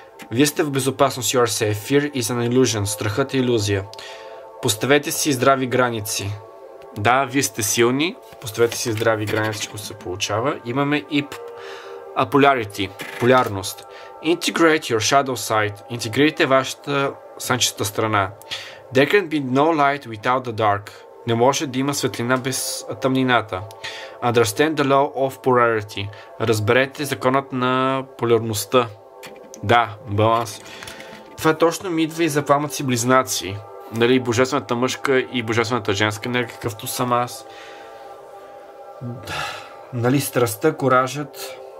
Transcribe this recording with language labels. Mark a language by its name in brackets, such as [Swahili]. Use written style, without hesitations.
[Bulgarian] Вие сте в безопасност. [English] You are safe. Fear is an illusion. [Bulgarian] Страхът е иллюзия. Поставете си здрави граници. Да, вие сте силни. Поставете си здрави граници, че се получава. Имаме и [English] а polarity, полярност. Integrate your shadow side, [Bulgarian] интегрирайте вашата слънчеста страна. [English] There can be no light without the dark. [Bulgarian] Не може да има светлина без тъмнината. [English] Understand the law of polarity. [Bulgarian] Разберете законът на полярността. Да, баланс. Това точно ми идва и за пламъци близнаци. Нали, божествената мъжка и божествената женска енергия, какъвто съм аз. Нали, страстта, куражът.